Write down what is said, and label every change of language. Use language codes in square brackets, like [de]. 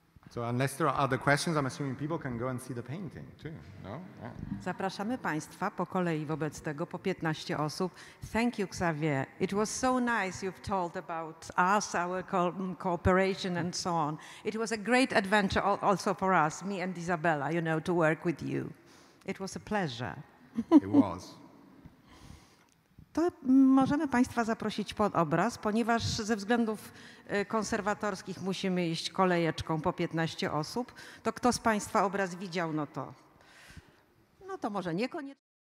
[en] So unless there are other questions, I'm assuming people can go and see the painting too, no? Yeah. [pl] Zapraszamy Państwa po kolei wobec tego, po 15 osób. [en] Thank you, Xavier. It was so nice you've told about us, our cooperation and so on. It was a great adventure also for us, me and Isabella, you know, to work with you. It was a pleasure. It was. [pl] To możemy Państwa zaprosić pod obraz, ponieważ ze względów konserwatorskich musimy iść kolejeczką po 15 osób. To kto z Państwa obraz widział, no to może niekoniecznie.